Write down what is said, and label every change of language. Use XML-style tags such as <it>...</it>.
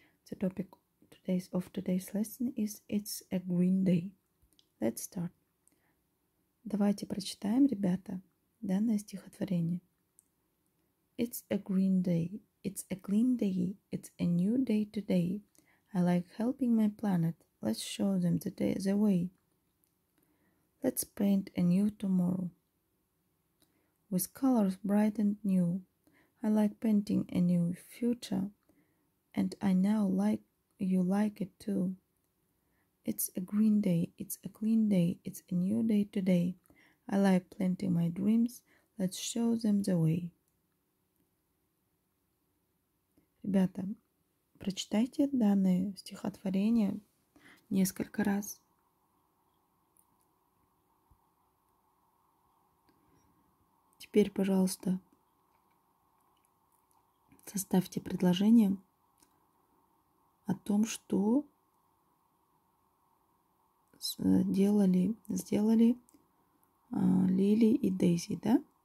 <en>The topic of today's lesson is It's a Green Day. Let's start.</en> <ru>Давайте прочитаем, ребята, данное стихотворение.</ru> <en>It's a green day. It's a clean day. It's a new day today. I like helping my planet. Let's show them the way. Let's paint a new tomorrow. With colors bright and new, I like painting a new future, and I now like you like it too. It's a green day, it's a clean day, it's a new day today. I like planting my dreams, let's show them the way.</en> <ru>Ребята, прочитайте данное стихотворение несколько раз. Теперь, пожалуйста, составьте предложение о том, что сделали Лили и Дейзи, да?</ru>